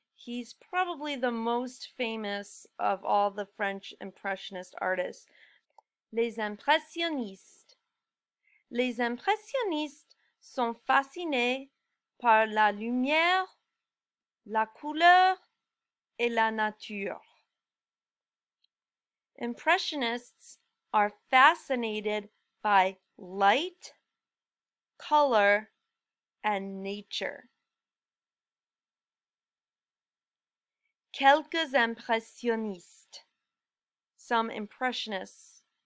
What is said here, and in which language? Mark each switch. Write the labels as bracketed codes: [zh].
[en] He's probably the most famous of all the French impressionist artists. [fr] Les impressionnistes. Les impressionnistes sont fascinés par la lumière, la couleur et la nature. [en] Impressionists are fascinated by light, color, and nature. [fr] Quelques impressionnistes, [en] some impressionists.